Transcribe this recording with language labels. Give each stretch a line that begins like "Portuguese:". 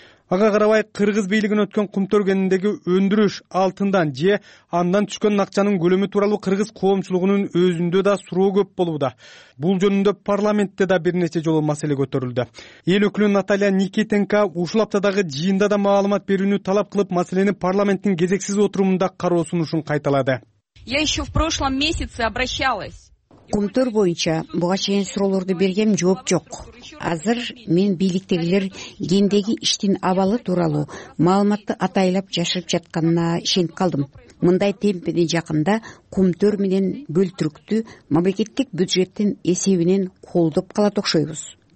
Kyrgyz: Ага карабай, кыргыз бийлигин өткөн Кумтор кенидеги өндүрүш алтындан же андан түшкөн акчанын көлөмү тууралуу кыргыз коомчулугунун өзүндө да суроо көп болууда. Бул жөнүндө парламентте да бир нече жолу маселе көтөрүлдү. Эл өкүлү Наталья Никитенко ушул аптадагы жыйында да маалымат берүүнү талап кылып, маселени парламенттин кезексиз отурумунда кароо сунушун кайталады.
Russian: Я еще в прошлом месяце обращалась.
Kyrgyz: Кумтор боюнча буга чейин суроолорду бергем, жооп жок. Азыр мен бийликтегилер кендеги иштин абалы тууралуу маалыматты атайлап жашырып жатканына ишенип калдым. Мындай темп менен жакында Кумтор менен бөлтүрктү мамлекеттик бюджеттин эсебинен колдоп калат окшойбуз.